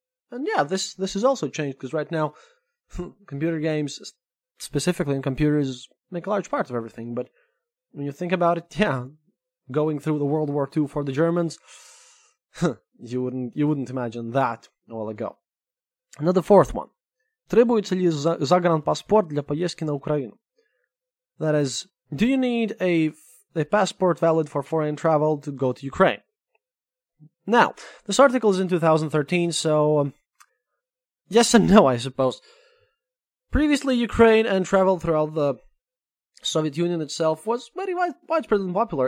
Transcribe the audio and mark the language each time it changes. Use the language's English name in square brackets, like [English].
[English] And yeah, this has also changed, because right now, computer games, specifically in computers, make a large part of everything, but when you think about it, yeah, going through the World War II for the Germans, you wouldn't imagine that a while ago. Now the fourth one. [Russian] Требуется ли загранпаспорт для поездки на Украину? [English] That is, do you need a passport valid for foreign travel to go to Ukraine? Now, this article is in 2013, so yes and no, I suppose. Previously, Ukraine and travel throughout the Soviet Union itself was very widespread and popular.